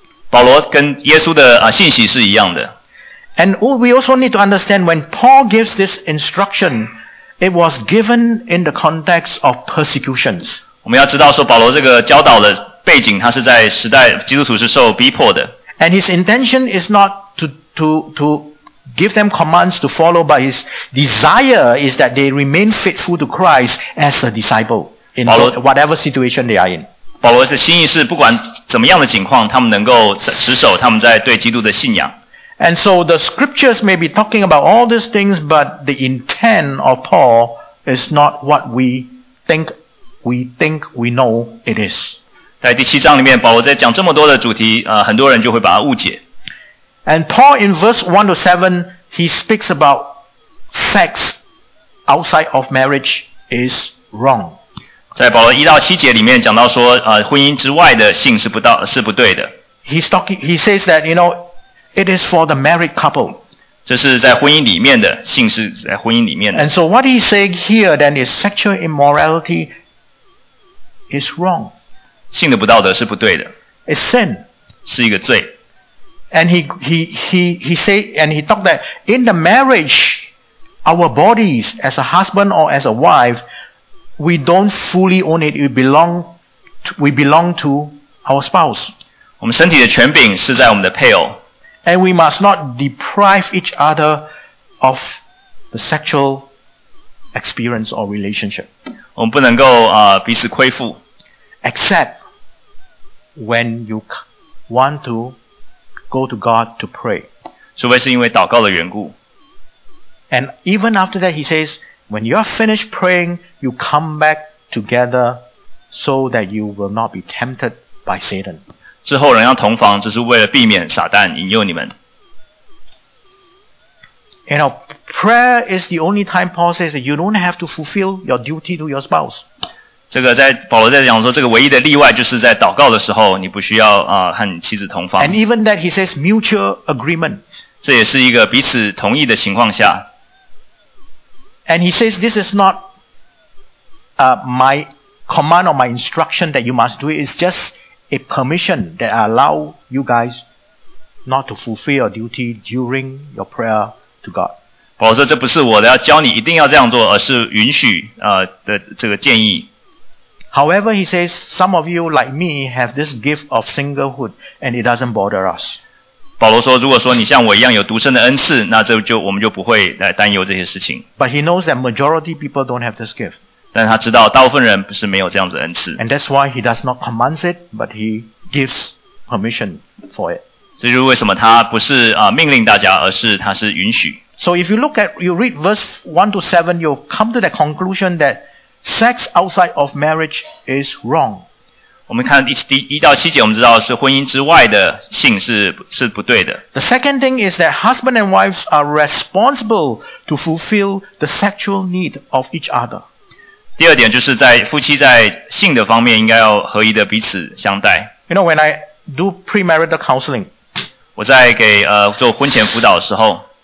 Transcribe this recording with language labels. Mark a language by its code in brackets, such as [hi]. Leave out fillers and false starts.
[zh] 保罗跟耶稣的信息是一样的。 [en] And we also need to understand when Paul gives this instruction. It was given in the context of persecutions. [zh] 我们要知道说保罗这个教导的背景他是在时代基督徒是受逼迫的。 [en] And his intention is not to give them commands to follow, but his desire is that they remain faithful to Christ as a disciple in whatever situation they are in. [zh] 保罗的心意是不管怎么样的境况他们能够持守他们在对基督的信仰。 [en] And so the scriptures may be talking about all these things, but the intent of Paul is not what we think we know it is. [zh] 在第七章里面，保罗在讲这么多的主题，很多人就会把它误解。 [en] And Paul in verse 1 to 7, he speaks about sex outside of marriage is wrong. [zh] 在保罗1到7节里面讲到说，婚姻之外的性是不对的。 [en] He says that, you know,It is for the married couple. [zh] 这是在婚姻里面的，性是在婚姻里面的。 [en] And so what he's saying here then is sexual immorality is wrong. [zh] 性的不道德是不对的。 [en] It's sin. [zh] 是一个罪。 [en] And he talked that in the marriage, our bodies as a husband or as a wife, we don't fully own it. We belong to our spouse. [zh] 我们身体的权柄是在我们的配偶。 [en] And we must not deprive each other of the sexual experience or relationship. [zh] 我们不能够彼此亏负。 [en] Except when you want to go to God to pray. [zh] 除非是因为祷告的缘故。 [en] And even after that, he says, when you are finished praying, you come back together so that you will not be tempted by Satan. [zh] 之后仍要同房，只是为了避免撒旦引诱你们。 [en] You know, prayer is the only time Paul says that you don't have to fulfill your duty to your spouse. [zh] 这个在保罗在讲说，这个唯一的例外就是在祷告的时候，你不需要啊、和你妻子同房。 [en] And even that he says mutual agreement. [zh] 这也是一个彼此同意的情况下。 [en] And he says this is not my command or my instruction that you must do it. It's just a permission that I allow you guys not to fulfill your duty during your prayer. [zh] 保罗说：“这不是我的，要教你一定要这样做，而是允许的这个建议。” [en] However, he says some of you like me have this gift of singlehood, and it doesn't bother us. [zh] 保罗说：“如果说你像我一样有独身的恩赐，那这就我们就不会来担忧这些事情。” [en] But he knows that majority people don't have this gift. [zh] 但他知道大部分人不是没有这样子的恩赐。 [en] And that's why he does not command it, but he gives permission for it. [zh] 这就是为什么他不是命令大家，而是他是允许。 [en] So if you look at, you read verse 1 to 7, you'll come to the conclusion that sex outside of marriage is wrong. [zh] 我们看1到7节，我们知道是婚姻之外的性是不对的。 [en] The second thing is that husband and wives are responsible to fulfill the sexual need of each other. [zh] 第二点就是在夫妻在性的方面应该要合一的彼此相待。 [en] You know, when I do premarital counseling, [zh] 我在给做婚前辅导的时候